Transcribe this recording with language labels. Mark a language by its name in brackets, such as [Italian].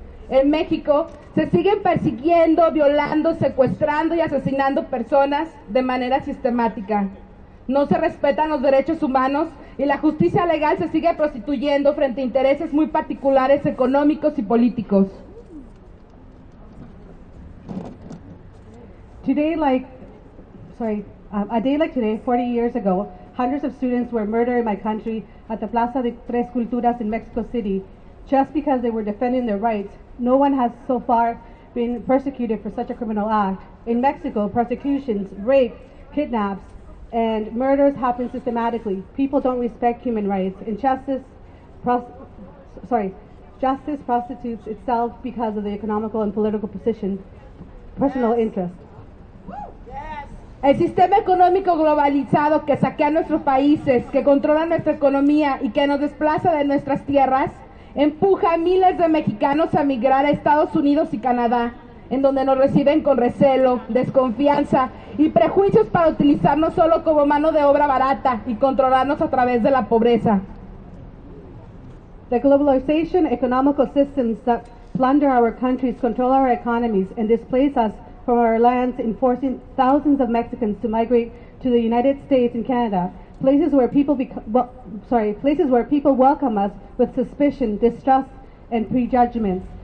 [Spanish] en México se siguen persiguiendo, violando, secuestrando y asesinando personas de manera sistemática. No se respetan los derechos humanos y la justicia legal se sigue prostituyendo frente a intereses muy particulares, económicos y políticos. [English] Today, a day like today, 40 years ago, hundreds of students were murdered in my country at the Plaza de Tres Culturas in Mexico City just because they were defending their rights. No one has so far been persecuted for such a criminal act. In Mexico, prosecutions, rape, kidnaps, and murders happen systematically. People don't respect human rights. Justice prostitutes itself because of the economical and political position, personal interest. [Spanish] El sistema económico globalizado que saquea nuestros países, que controla nuestra economía y que nos desplaza de nuestras tierras, empuja a miles de mexicanos a migrar a Estados Unidos y Canadá, en donde nos reciben con recelo, desconfianza y prejuicios para utilizarnos solo como mano de obra barata y controlarnos a través de la pobreza. [English] The globalization economical systems that plunder our countries, control our economies and displace us from our lands, enforcing thousands of Mexicans to migrate to the United States and Canada, places where people welcome us with suspicion, distrust, and prejudgments.